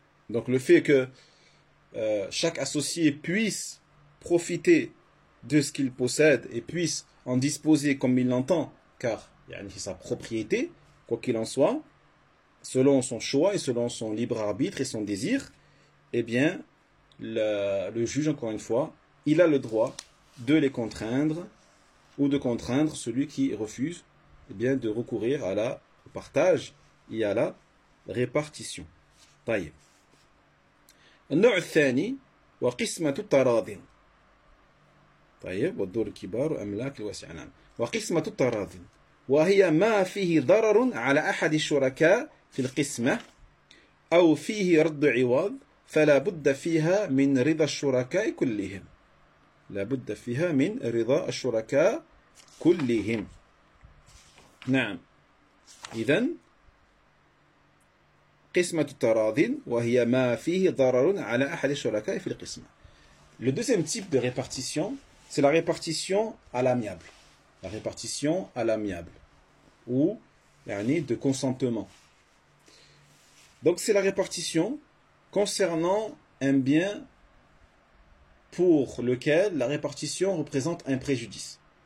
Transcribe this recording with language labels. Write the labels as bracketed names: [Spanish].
[French] Donc le fait que chaque associé puisse profiter de ce qu'il possède et puisse en disposer comme il l'entend, car il y a sa propriété, quoi qu'il en soit, selon son choix et selon son libre arbitre et son désir, eh bien, le juge, encore une fois, il a le droit de les contraindre ou de contraindre celui qui refuse, eh bien, de recourir à la partage et à la répartition. Taïe. [Arabic] النوع الثاني وقسمة التراضٍ طيب والدور الكبار أملاك الواسعة نعم وقسمة التراضٍ وهي ما فيه ضرر على أحد الشركاء في القسمة أو فيه رد عوض فلا بد فيها من رضا الشركاء كلهم لا بد فيها من رضا الشركاء كلهم نعم إذن قسمة التراض وهي ما فيه ضرر على أحد الشركاء في القسمة. [French] Le deuxième type de répartition, c'est la répartition à l'amiable. La répartition à l'amiable. Ou, yani, de consentement. Donc, c'est la répartition concernant un bien pour lequel la répartition représente un préjudice.